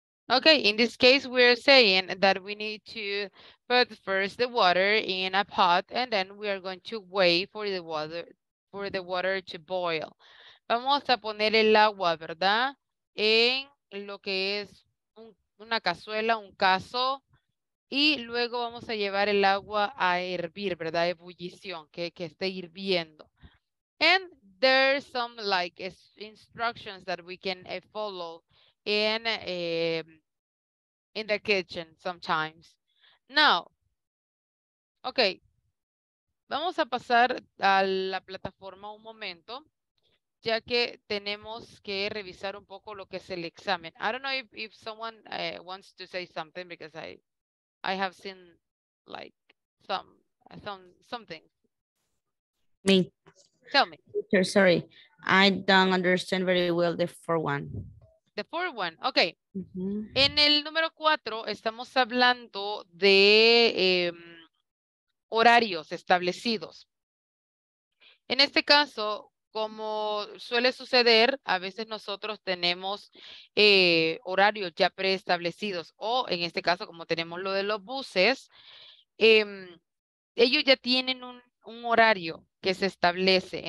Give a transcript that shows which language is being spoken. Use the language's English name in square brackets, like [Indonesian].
[English] Okay, in this case, we're saying that we need to put first the water in a pot and then we are going to wait for the water. For the water to boil. [Spanish] Vamos a poner el agua, ¿verdad? En lo que es una cazuela, un cazo. Y luego vamos a llevar el agua a hervir, ¿verdad? Ebullición, que esté hirviendo. [English] And there's some like instructions that we can follow in the kitchen sometimes. Now, okay. [Spanish] Vamos a pasar a la plataforma un momento, ya que tenemos que revisar un poco lo que es el examen. [English] I don't know if someone wants to say something because I have seen like something. Me. Tell me. Teacher, sorry. I don't understand very well the fourth one. The fourth one. Okay. Mm-hmm. [Spanish] En el número 4 estamos hablando de horarios establecidos. En este caso, como suele suceder, a veces nosotros tenemos horarios ya preestablecidos, o en este caso, como tenemos lo de los buses, ellos ya tienen un horario que se establece.